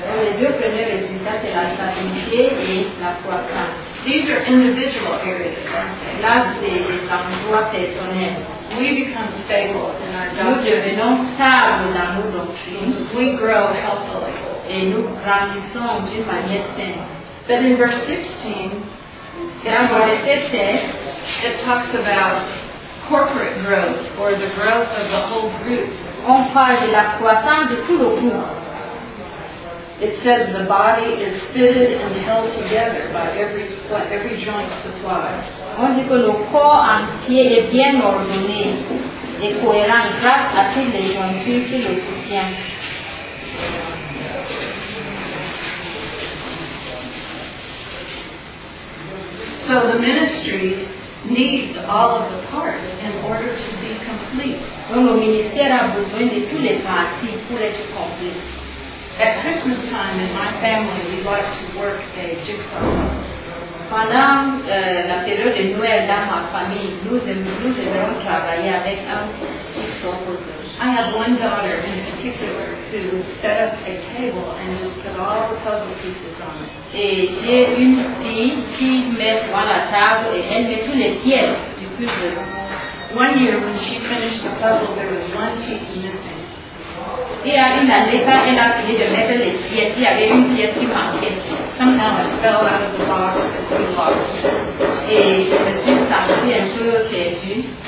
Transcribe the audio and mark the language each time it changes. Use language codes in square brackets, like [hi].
[fr] Les deux premiers résultats, c'est la stabilité et la croissance. [en] These are individual areas. [fr] Là, c'est l'endroit personnel. [en] We become stable in our doctrine. [fr] Nous devenons stables dans nos doctrines. [en] We grow healthily. [fr] Et nous grandissons d'une manière saine. [en] But in verse 16, it talks about corporate growth or the growth of the whole group. [fr] On parle de la croissance de tout le groupe. [en] It says the body is fitted and held together by every joint supplies. [fr] On dit que le corps entier est bien ordonné et cohérent grâce à toutes les jointures qui le soutiennent. [en] So the ministry needs all of the parts in order to be complete. [fr] Donc le ministère a besoin de tous les parties pour être complet. [en] At Christmas time in my family, we like to work a jigsaw. [fr] Pendant la période de Noël dans ma famille, nous aimerons travailler avec un jigsaw puzzle. [en] I have one daughter in particular who set up a table and just put all the puzzle pieces on it. [fr] Et j'ai une fille qui met sur la table et elle met tous les pièces du puzzle. [en] One year when she finished the puzzle, there was one piece missing. [fr] Et à une année, quand elle a fini de mettre les pièces, il y avait une pièce qui manquait. [en] Somehow it fell out of the box and too large. [fr] Et je me suis sentie un peu perdue.